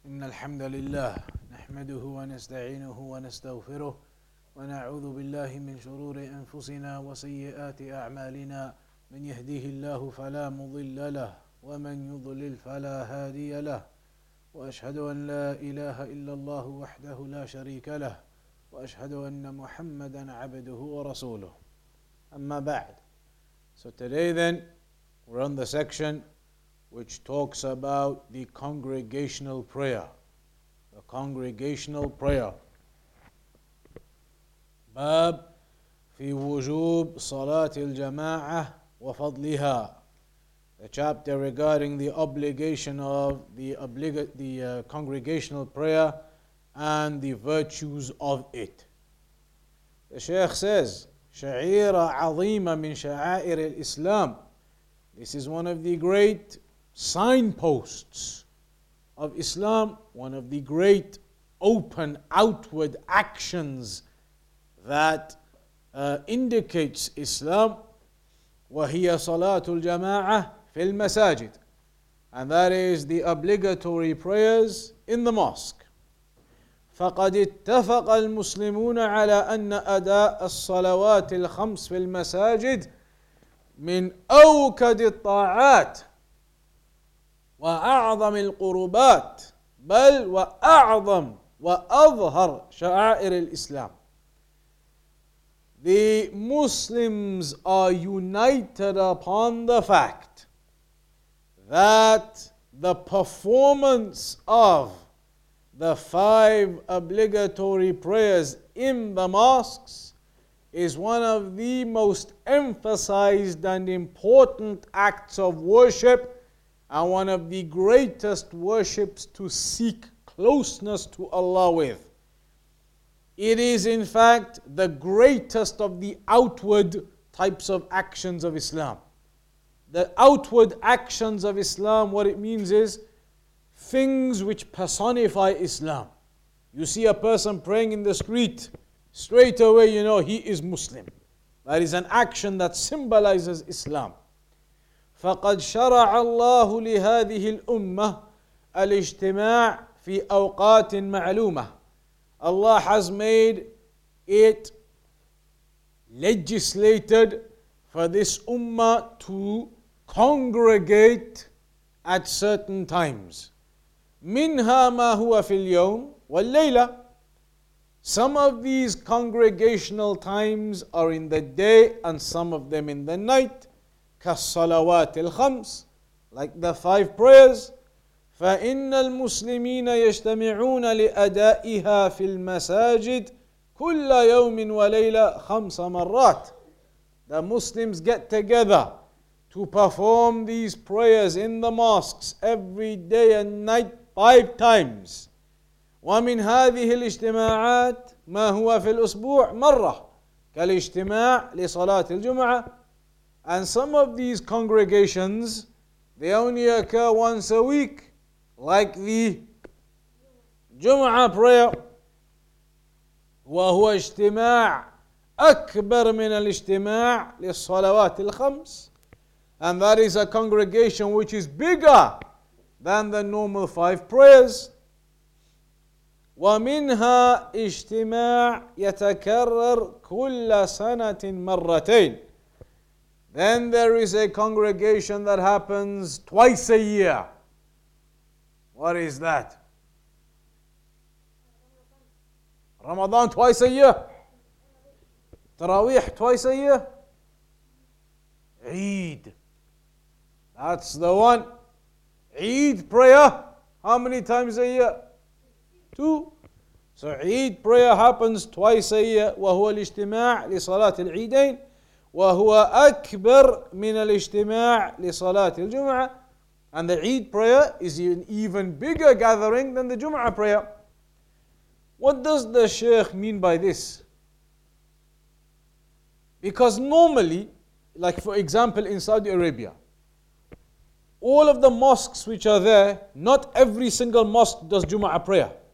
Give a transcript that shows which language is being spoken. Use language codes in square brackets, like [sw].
[ar] إن الحمد لله نحمده ونستعينه ونستغفره ونعوذ بالله من شرور أنفسنا وسيئات أعمالنا من يهديه الله فلا مضل له ومن يضلل فلا هادي له وأشهد أن لا إله إلا الله وحده لا شريك له وأشهد أن محمدا عبده ورسوله أما بعد. [en] So today then we're on the section which talks about the congregational prayer. The congregational prayer. [ar] باب في وجوب صلاة الجماعة وفضلها. [en] The chapter regarding the obligation of the congregational prayer and the virtues of it. The Sheikh says, [ar] شعيرة عظيمة من شعائر الإسلام. [en] This is one of the great signposts of Islam, one of the great open outward actions that indicates Islam, [ar] وهي صلاة الجماعة في المساجد, [en] and that is the obligatory prayers in the mosque. [ar] فقد اتفق المسلمون على أن أداء الصلوات الخمس في المساجد من أوكد الطاعات وأعظم القربات بل وأعظم وأظهر شعائر الإسلام. [en] The Muslims are united upon the fact that the performance of the five obligatory prayers in the mosques is one of the most emphasized and important acts of worship and one of the greatest worships to seek closeness to Allah with. It is in fact the greatest of the outward types of actions of Islam. The outward actions of Islam, what it means is things which personify Islam. You see a person praying in the street, straight away you know he is Muslim. That is an action that symbolizes Islam. [ar] فقد شرع الله لهذه الأمة الاجتماع في أوقات معلومة. [en] Allah has made it legislated for this ummah to congregate at certain times. [ar] منها ما هو في اليوم والليلة. [en] Some of these congregational times are in the day and some of them in the night. [ar] كالصلوات الخمس, [en] like the five prayers. [ar] فإن المسلمين يجتمعون لأدائها في المساجد كل يوم وليلة خمس مرات. [en] The Muslims get together to perform these prayers in the mosques every day and night five times. [ar] ومن هذه الاجتماعات ما هو في الأسبوع مرة كالاجتماع لصلاة الجمعة. [en] And some of these congregations, they only occur once a week, like the Jum'ah prayer. [ar] وهو اجتماع أكبر من الاجتماع للصلوات الخمس. [en] And that is a congregation which is bigger than the normal five prayers. [ar] ومنها اجتماع يتكرر كل سنة مرتين. [en] Then there is a congregation that happens twice a year. What is that? Ramadan twice a year? Taraweeh twice a year? Eid. That's the one. Eid prayer, how many times a year? Two. So Eid prayer happens twice a year. [ar] وهو الاجتماع لصلاة العيدين. وهو أكبر من الاجتماع لصلاة الجمعة. [en] And the Eid prayer is an even bigger gathering than the Jum'ah prayer. What does the Sheikh mean by this? Because normally, like for example in Saudi Arabia, all of the mosques which are there, not every single mosque does Jum'ah prayer.